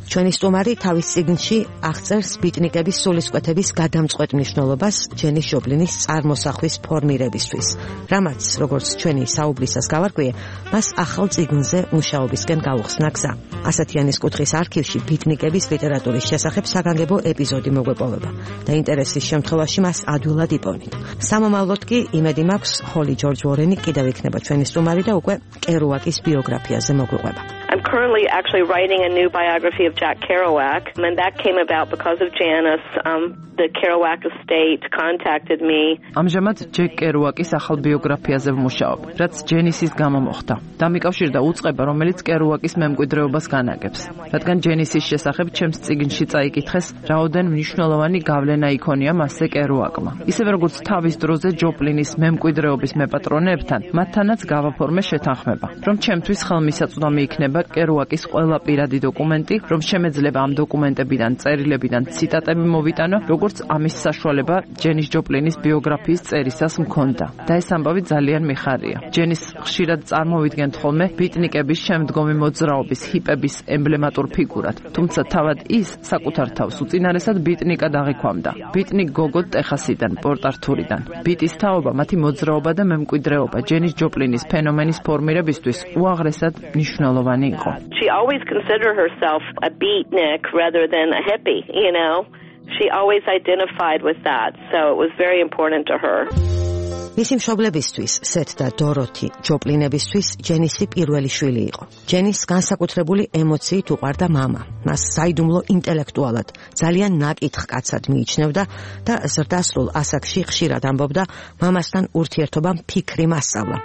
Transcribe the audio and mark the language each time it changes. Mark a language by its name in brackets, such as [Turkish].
[Georgian] ჩვენი სტუმარი თავის წიგნში აღწერს ბიტნიკების სულისკვეთების გადამწყვეტ მნიშვნელობას ჯენის შობლინის წარმოსახვის ფორმირებისთვის, რამაც, როგორც ჩვენი საუბრისას გავარკვიე, მას ახალ წიგნზე მუშაობისკენ გაუხსნა გზა. ასათიანის კუთხის არქივში ბიტნიკების ლიტერატურის შესახებ საგანგებო ეპიზოდი მოგვეპოვება და ინტერესის შემთხვევაში მას ადვილად იპოვნით. სამომავლოდ კი იმედი მაქვს, ჰოლი ჯორჯ ვორენი კიდევ იქნება ჩვენი სტუმარი და უკვე კერუაკის ბიოგრაფიაზე მოგვიყვება. [English] I'm currently actually writing a new biography of Jack Kerouac, and that came about because of Janice. The Kerouac estate contacted me. [Georgian] ამჟამად ჯეკ კერუაკის ახალ ბიოგრაფიაზე ვმუშაობ, რაც ჯენისის გამო მოხდა. დამიკავშირდა უწყება, რომელიც კერუაკის მემკვიდრეობას განაგებს, რადგან ჯენისის შესახებ ჩემს წიგნში წაიკითხეს, რაოდენ მნიშვნელოვანი გავლენა იქონია მასზე კერუაკმა. ისევე როგორც თავის დროზე ჯოპლინის მემკვიდრეობის მეპატრონებთან, მათთანაც გავაფორმე შეთანხმება, რომ ჩემთვის ხელმისაწვდომი იქნება კერუაკის ყველა პირადი დოკუმენტი, რომ შემეძლება ამ დოკუმენტებიდან წერილებიდან ციტატები მოვიტანო, როგორც ამის საშუალება ჯენის ჯოპლინის ბიოგრაფიის წერისას მქონდა. და ეს ამბავი ძალიან მიხარია. ჯენის ხშირად წარმოვიდგენთ ხოლმე ბიტნიკების შემდგომი მოძრაობის ჰიპების ემბლემატურ ფიგურად, თუმცა თავად ის საკუთარ თავს უწინარესად ბიტნიკა დაღიქვამდა. ბიტნიკ გოგო ტეხასიდან, პორტ-ართურიდან. ბიტის თაობა, მათი მოძრაობა და მემკვიდრეობა ჯენის ჯოპლინის ფენომენის ფორმირებისთვის უაღრესად მნიშვნელოვანი იყო. [English] She always considered herself a beatnik rather than a hippie, you know. She always identified with that, so it was very important to her. [Georgian] მისი მშობლებისთვის, სეთ და დოროთი ჯოპლინებისთვის, ჯენისი პირველი შვილი იყო. ჯენის განსაკუთრებული ემოციით უყვარდა მამა. მას საიდუმლო ინტელექტუალად, ძალიან ნაკითხ კაცად მიიჩნევდა და ზრდასრულ ასაკში ხშირად ამბობდა მამასთან ურთიერთობამ ფიქრი მასწავლა.